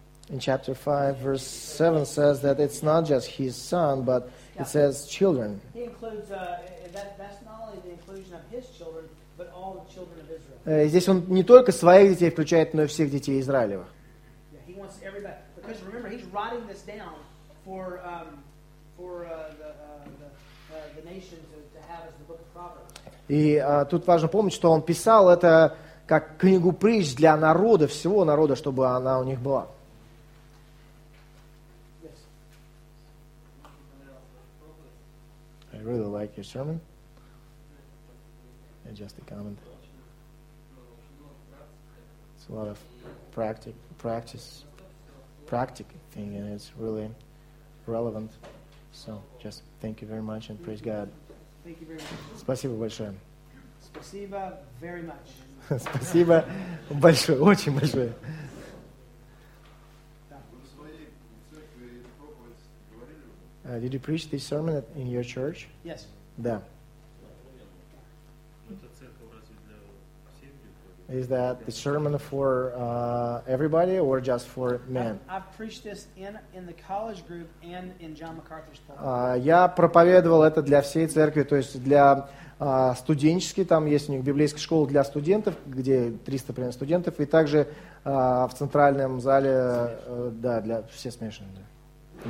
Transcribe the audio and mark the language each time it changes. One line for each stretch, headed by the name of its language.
English: In chapter 5, verse 7 says that it's not just his son, but it says children. He includes, that's not only the inclusion of his children, but all the children of Israel.
Russian: Здесь он не только своих детей включает, но и всех детей Израилева.
English: Yeah, he wants everybody, because remember, he's writing this down for the nation to have as the book of Proverbs.
Russian: И тут важно помнить, что он писал это как книгу притч для народа, всего народа, чтобы она у них была.
English: I really like your sermon. And just a comment. It's a lot of practical thing, and it's really relevant. So just thank you very much and praise God. Thank you very much.
Russian: Спасибо большое. Спасибо
English: very much.
Russian: Спасибо большое, очень большое.
English: Did you preach this sermon in your church? Yes. Да. Is that the sermon for everybody or just for men? I've preached this in the college group and in John MacArthur's pulpit.
Russian: Я проповедовал это для всей церкви, то есть для студенческой, там есть у них библейская школа для студентов, где 300 примерно студентов, и также в центральном зале, да, для все смешанные, да.